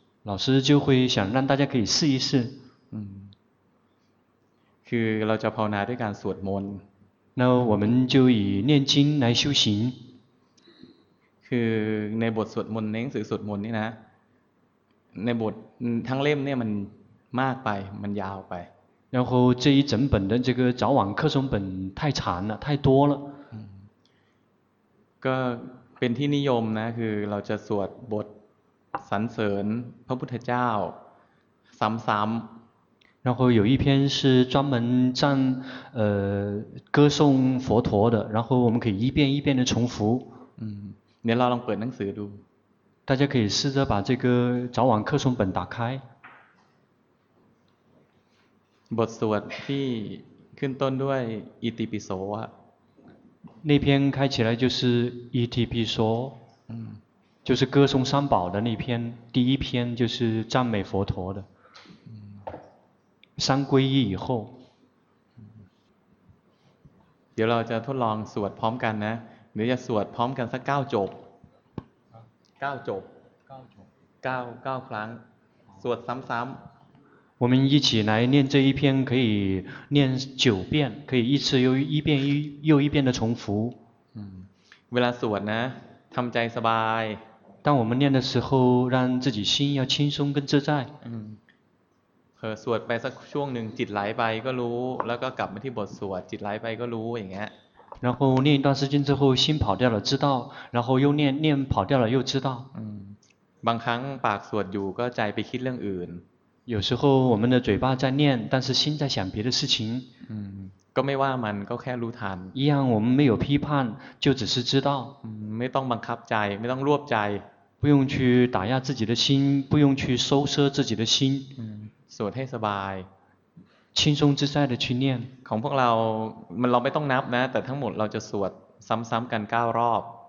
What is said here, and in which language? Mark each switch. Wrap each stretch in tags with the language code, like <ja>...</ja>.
<zh>老师就会想让大家可以试一试。</zh> <th>คือเราจะภาวนาด้วยการสวดมนต์</th> <zh>那我们就以念经来修行</zh> <th>คือในบทสวดมนต์ในหนังสือสวดมนต์นี่นะในบททั้งเล่มเนี่ยมันมากไปมันยาวไป</th> <zh>然后这一整本的这个早晚课程本太长了太多了</zh> <th>ก็เป็นที่นิยมนะคือเราจะสวดบทสรรเสริญพระพุทธเจ้าซ้ำ</th> <zh>ๆ然后有一篇是专门赞歌颂佛陀的然后我们可以一遍一遍的重复</zh> <th>เดี๋ยวเราลองเปิดหนังสือดู</th> <zh>大家可以试着把这个早晚课程本打开</zh> <th>บทสวดที่ขึ้นต้นด้วยอิติปิโสอะ</th> <zh>那篇开起来就是อิติปิโส就是歌颂三宝的那篇第一篇就是赞美佛陀的三皈依以后</zh> <th>เดี๋ยวเราจะทดลองสวดพร้อมกันนะหรือจะสวดพร้อมกันสักเก้าจบเก้าจบเก้าครั้งสวดซ้ำ</th> <zh>ๆ我们一起来念这一篇可以念九遍可以一次又一遍又一遍的重复</zh> <th>เวลาสวดนะทำใจสบาย</th> <zh>当我们念的时候让自己心要轻松跟自在</zh> <th>สวดไปสักช่วงหนึ่งจิตไหลไปก็รู้แล้วก็กลับมาที่บทสวดจิตไหลไปก็รู้อย่างเงี้ย</th> <zh>然后念一段时间之后心跑掉了知道然后又念念跑掉了又知道</zh> <th>บางครั้งปากสวดอยู่ก็ใจไปคิดเรื่องอื่น</th> <zh>有时候我们的嘴巴在念但是心在想别的事情</zh> <th>ก็ไม่ว่ามันก็แค่รู้ทัน</th> <zh>一样我们没有批判就只是知道</zh> <th>ไม่ต้องบังคับใจไม่ต้องรวบใจ</th> <zh>不用去打压自己的心不用去收摄自己的心</zh> <th>สวดให้สบาย</th> <zh>轻松自在的去念</zh> <th>ของพวกเรามันเราไม่ต้องนับนะแต่ทั้งหมดเราจะสวดซ้ำๆกัน9รอบ</th>